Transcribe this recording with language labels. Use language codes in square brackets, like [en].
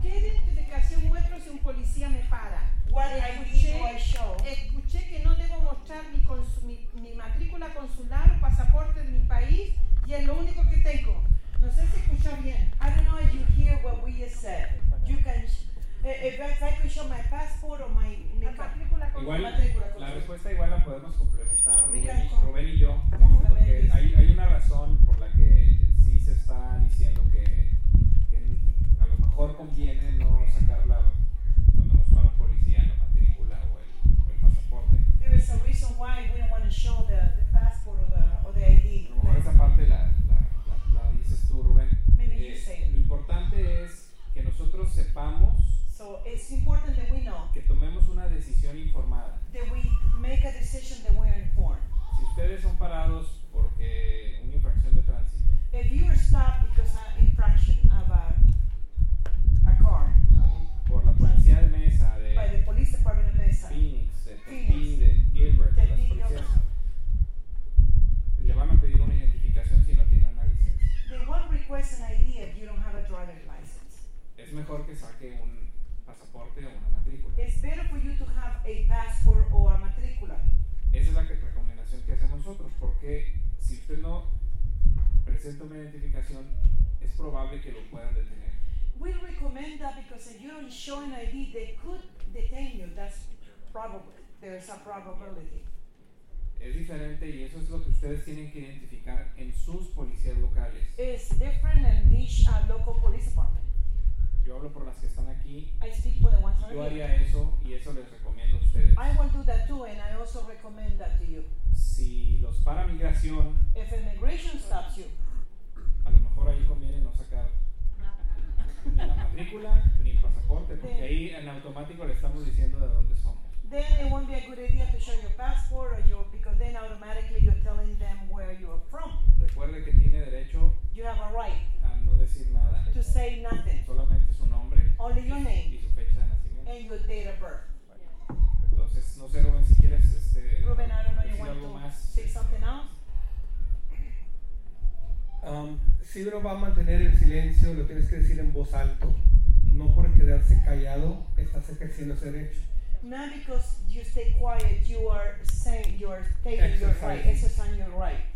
[es] ¿Qué identificación muestro si un policía me para? [en] What [es] escuché, [en] I need show. [es] Escuché que no debo mostrar mi matrícula consular o pasaporte de mi país. Y es lo único que tengo. No sé si escucha bien. [en] I don't know if you hear what we just said. You can, if I could show my passport or my matrícula. [es] Igual, la respuesta igual la podemos complementar, Rubén y yo. Porque hay una razón por la que sí se está diciendo que a lo mejor conviene no sacar la, cuando nos va la policía, la matrícula o el pasaporte. [en] There is a reason why we don't want to show the passport or the ID. [es] Esa parte la dices tú, Rubén. [en] Maybe you say it. [es] Lo importante es que nosotros sepamos, [en] so it's important that we know, [es] que tomemos una decisión informada. [en] That we make a decision that we are informed. [es] Si ustedes son parados porque una infracción de tránsito. [en] If you are stopped because of an infraction of a car. [es] Por la policía de Mesa. [en] By the police department of Mesa. [es] Phoenix. De Gilbert. De las policías. Le van a pedir una identificación si no tiene una licencia. [en] They won't request an ID if you don't have a driver's license. [es] Es mejor que saque un pasaporte o una matrícula. [en] It's better for you to have a passport or a matrícula. [es] Esa es la recomendación que hacemos nosotros, porque si usted no presenta una identificación, es probable que lo puedan detener. [en] We recommend that because if you don't show an ID, they could detain you. That's probable. There is a probability. [es] Es diferente y eso es lo que ustedes tienen que identificar en sus policías locales. [en] It's different than each local police department. [es] Yo hablo por las que están aquí. [en] I speak for the ones [es] yo haría here. Eso y eso les recomiendo a ustedes. [en] I will do that too and I also recommend that to you. [es] Si los para migración. [en] If immigration stops you. [es] A lo mejor ahí conviene no sacar ni la matrícula ni el pasaporte, porque ahí en automático le estamos diciendo de dónde somos. [en] Then it won't be a good idea to show your passport or your, because then automatically you're telling them where you are from. [es] Recuerde que tiene derecho. [en] You have a right. [es] A no decir nada. [en] To say nothing. [es] Solamente su nombre. [en] Only your name. [es] Y su fecha de nacimiento. [en] And your date of birth. [es] Entonces, no sé, Rubén, si quieres [en] Rubén, I don't know, you want to say something else? [es] Si uno va a mantener el silencio, lo tienes que decir en voz alto. No por quedarse callado, estás ejerciendo ese derecho. [en] Not because you stay quiet, you are saying, you are stating your right, exercising your right.